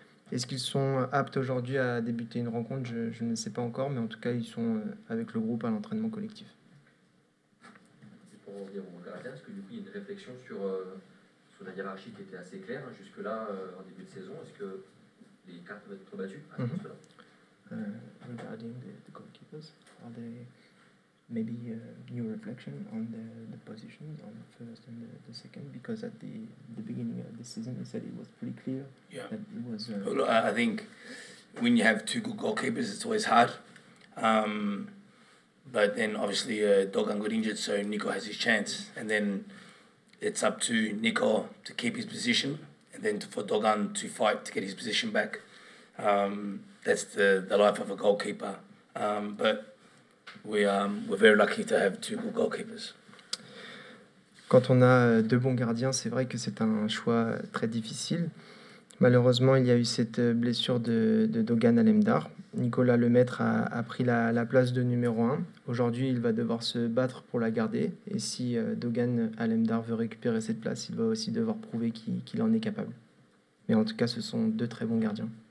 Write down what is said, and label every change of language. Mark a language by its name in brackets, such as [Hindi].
[French] Est-ce qu'ils sont aptes aujourd'hui à débuter une rencontre? Je ne sais pas encore, mais en tout cas, ils sont avec le groupe à l'entraînement collectif. Et pour revenir au gardien, est-ce que du coup, il y a une réflexion sur la hiérarchie qui était assez claire jusque-là en début de saison? Est-ce que les cartes vont être battues à cause de cela? [English] Regarding the goalkeepers, are there maybe new reflection on the positions on the first and the second? Because at the beginning of the season, they said it was pretty clear. Yeah. That it was. I think when you have two good goalkeepers, it's always hard. But then obviously Dogan got injured, so Nico has his chance, and then it's up to Nico to keep his position, and then for Dogan to fight to get his position back. That's the life of a goalkeeper, but we're very lucky to have two good goalkeepers. [French] Quand on a deux bons gardiens, c'est vrai que c'est un choix très difficile. Malheureusement, il y a eu cette blessure de Dogan Alemdar. Nicolas Lemaitre a pris la place de numéro 1. Aujourd'hui, il va devoir se battre pour la garder. Et si Dogan Alemdar veut récupérer cette place, il va aussi devoir prouver qu'il en est capable. Mais en tout cas, ce sont deux très bons gardiens.